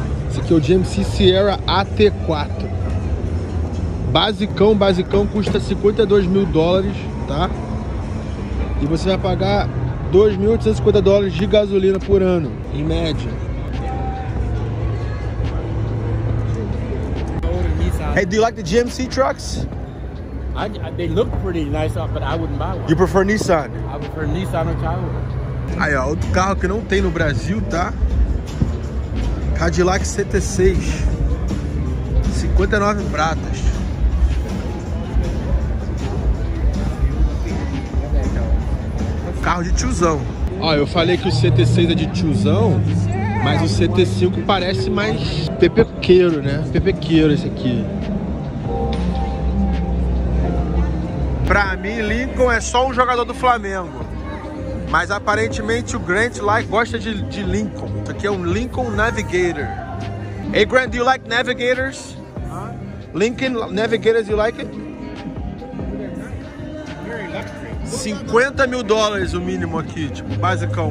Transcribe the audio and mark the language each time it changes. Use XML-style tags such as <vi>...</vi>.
<pt>Esse aqui é o GMC Sierra AT4. Basicão, custa $52.000, tá? E você vai pagar $2.850 de gasolina por ano, em média.</pt> <en>Hey, do you like the GMC trucks? They look pretty nice, but I wouldn't buy one. You prefer Nissan? I prefer Nissan or Toyota.</en> <pt>Aí, ó, outro carro que não tem no Brasil, tá? Cadillac CT6, 59 pratas. Carro de tiozão. Ó, eu falei que o CT6 é de tiozão, Mas o CT5 parece mais pepequeiro, né? Pepequeiro esse aqui. Pra mim, Lincoln é só um jogador do Flamengo. Mas aparentemente o Grant lá gosta de Lincoln. Isso aqui é um Lincoln Navigator.</pt> <en>Hey Grant, do you like Navigators? Lincoln Navigators, you like it?</en> <pt>$50,000 o mínimo aqui, tipo, basicão.</pt>